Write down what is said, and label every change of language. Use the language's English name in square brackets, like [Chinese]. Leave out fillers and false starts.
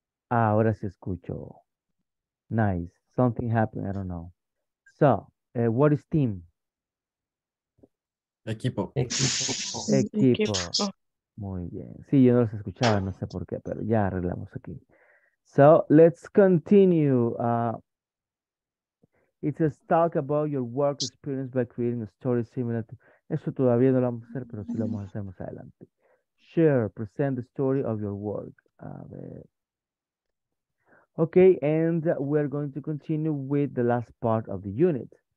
[English] Ahora sí escucho. Nice. Something happened. I don't know. So, what is team? [Spanish] Equipo. Equipo. Equipo. Muy bien. Sí, yo no los escuchaba, no sé por qué, pero ya arreglamos aquí. [English] So, let's continue. It says, talk about your work experience by creating a story similar to... [Spanish] Eso todavía no lo vamos a hacer, pero sí lo vamos a hacer más adelante. [English] Share, present the story of your work. A ver. Okay, and we're going to continue with the last part of the unit.